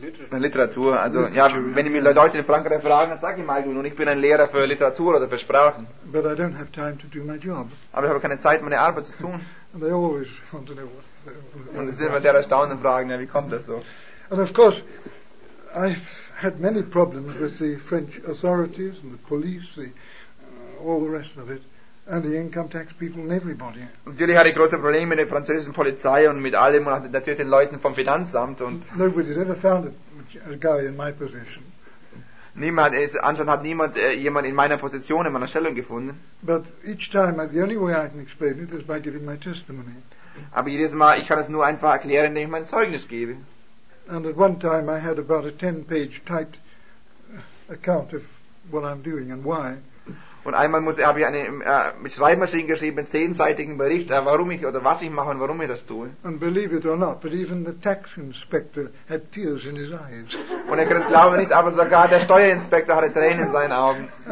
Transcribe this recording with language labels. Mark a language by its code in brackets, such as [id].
[de] Literatur, also ja, wenn ich mir Leute in Frankreich fragen, dann sage ich mal, nun, ich bin ein Lehrer für Literatur oder für Sprachen. [en] But I don't have time to do my job. [de] Aber ich habe keine Zeit, meine Arbeit zu tun. [en] And they always want to know what is the [de] und sie sind immer sehr erstaunt und fragen, ja, wie kommt das so? [en] And of course, I've had many problems with the French authorities and the police, all the rest of it. And the income tax people and everybody. [de] Natürlich hatte ich große Probleme mit der französischen Polizei und mit allem und natürlich den Leuten vom Finanzamt und. [en] Nobody's ever found a guy in my position. [de] Niemand ist, anscheinend hat niemand jemand in meiner Position, in meiner Stellung gefunden. [en] But each time, the only way I can explain it is by giving my testimony. [de] Aber jedes Mal, ich kann es nur einfach erklären, indem ich mein Zeugnis gebe. [en] And at one time, I had about a 10-page typed account of what I'm doing and why. [de] Und einmal habe ich eine mit Schreibmaschine geschrieben, einen 10-seitigen Bericht, warum ich oder was ich mache und warum ich das tue. [en] And believe it or not, but even the tax inspector had tears in his eyes. [de] Und er kann es glauben nicht, aber sogar der Steuerinspektor hatte Tränen in seinen Augen.